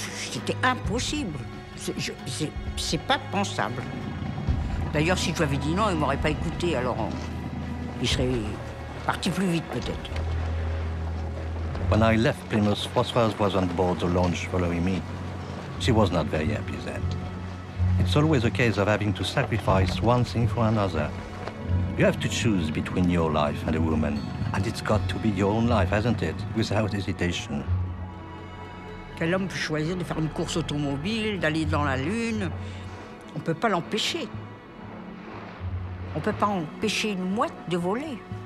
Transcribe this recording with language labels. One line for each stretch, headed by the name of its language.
French: C'était impossible. C'est pas pensable. D'ailleurs, si je lui avais dit non, il m'aurait pas écouté, alors il serait parti plus vite, peut-être.
English: When I left Plymouth, Françoise was on board the launch following me. She was not very happy then. It's always a case of having to sacrifice one thing for another. You have to choose between your life and a woman, and it's got to be your own life, hasn't it? Without hesitation.
French: Quel homme peut choisir de faire une course automobile, d'aller dans la Lune? On ne peut pas l'empêcher. On ne peut pas empêcher une mouette de voler.